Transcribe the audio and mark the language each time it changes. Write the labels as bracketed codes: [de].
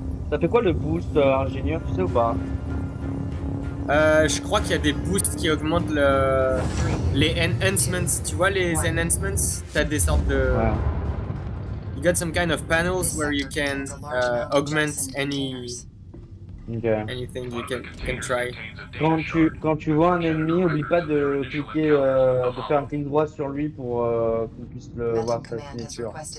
[fr] Ça fait quoi le boost ingénieur, tu sais ou pas? Je crois qu'il y a des boosts qui augmentent le les enhancements, tu vois les enhancements, t'as des sortes de ouais. [en] You got some kind of panels where you can augment any okay. Anything you can try. [fr] Quand tu vois un ennemi, oublie pas de cliquer, de faire un clic droit sur lui pour qu'on puisse le voir sa signature.